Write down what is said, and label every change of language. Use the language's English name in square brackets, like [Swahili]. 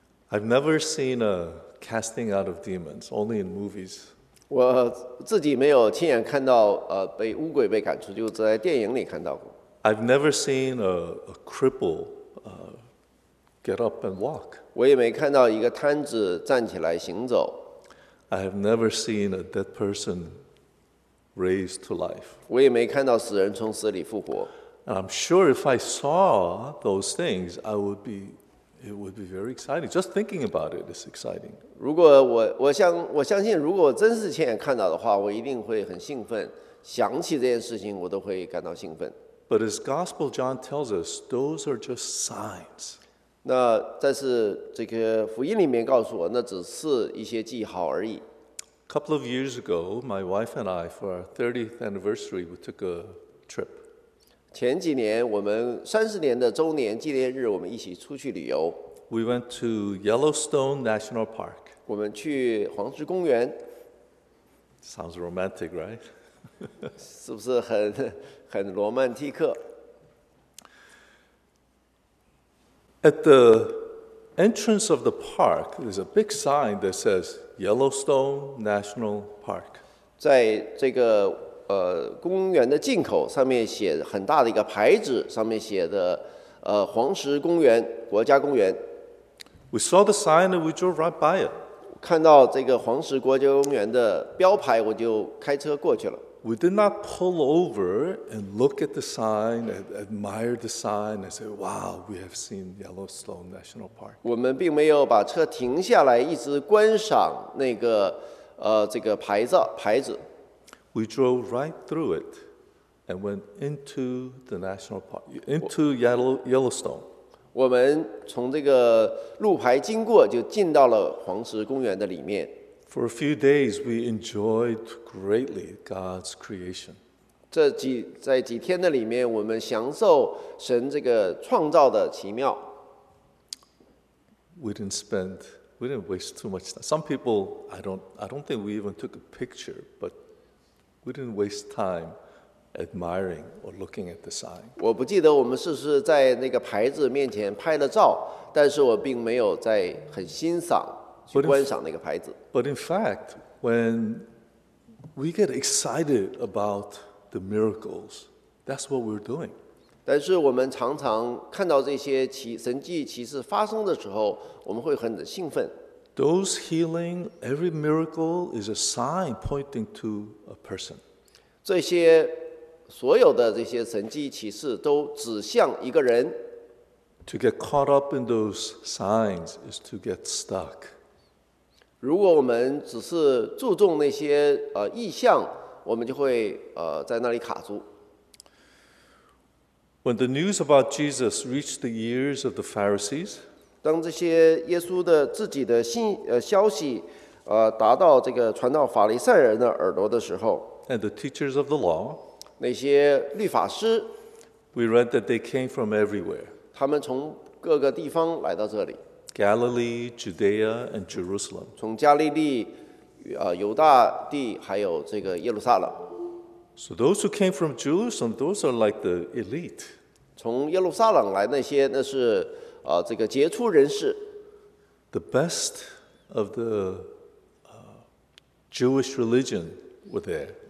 [English] I've never seen a casting out of demons, only in movies. [Chinese] 我自己没有亲眼看到被乌鬼被赶出，就在电影里看到过。 [English] I've never seen a cripple. Get up and walk. [Chinese] 我也没看到一个瘫子站起来行走。 [English] I have never seen a dead person raised to life. [Chinese] 我也没看到死人从死里复活。 [English] And I'm sure if I saw those things, it would be very exciting. Just thinking about it is exciting. [Chinese] 如果我相信，如果我真是亲眼看到的话，我一定会很兴奋。想起这件事情，我都会感到兴奋。 [English] But as Gospel John tells us, those are just signs. [Chinese] 那但是这个福音里面告诉我，那只是一些记号而已。 [English] Couple of years ago, my wife and I, for our 30th anniversary, we took a trip. [Chinese] 前几年我们30年的周年纪念日，我们一起出去旅游。 [English] We went to Yellowstone National Park. [Chinese] 我们去黄石公园。 [English] Sounds romantic, right? [Chinese] 是不是很罗曼蒂克？ [English] At the entrance of the park, there's a big sign that says Yellowstone National Park. [Chinese] 在这个公园的进口上面写很大的一个牌子，上面写的黄石公园国家公园。 [English] We saw the sign and we drove right by it. [Chinese] 看到这个黄石国家公园的标牌，我就开车过去了。 [English] We did not pull over and look at the sign and admire the sign and say, "Wow, we have seen Yellowstone National Park." [Chinese] 我们并没有把车停下来，一直观赏那个这个牌子。 [English] We drove right through it and went into the national park, into Yellowstone. [Chinese] 我们从这个路牌经过，就进到了黄石公园的里面。 [English] For a few days, we enjoyed greatly God's creation. [Chinese] 在几天的里面，我们享受神这个创造的奇妙。 [English] We didn't waste too much time. Some people, I don't think we even took a picture, but we didn't waste time admiring or looking at the sign. [Chinese] 我不记得我们是不是在那个牌子面前拍了照，但是我并没有在很欣赏。 [English] But in fact, when we get excited about the miracles, that's what we're doing. [Chinese] 但是我们常常看到这些神迹奇事发生的时候，我们会很兴奋。 [English] Those healing, every miracle is a sign pointing to a person. [Chinese] 这些所有的这些神迹奇事都指向一个人。 [English] To get caught up in those signs is to get stuck. [Chinese] 如果我们只是注重那些意象，我们就会在那里卡住。 [English] When the news about Jesus reached the ears of the Pharisees, [Chinese] 当这些耶稣的自己的消息达到这个传道法利赛人的耳朵的时候 [English] and the teachers of the law, [Chinese] 那些律法师, [English] we read that they came from everywhere. [Chinese] 他们从各个地方来到这里, [English] Galilee, Judea, and Jerusalem. [Chinese] 从加利利, 犹大地, 还有这个耶路撒冷。 [English] So those who came from Jerusalem, those are like the elite. [Chinese] 从耶路撒冷来那些, 那是, 这个杰出人士, [English] the best of the Jewish religion were there.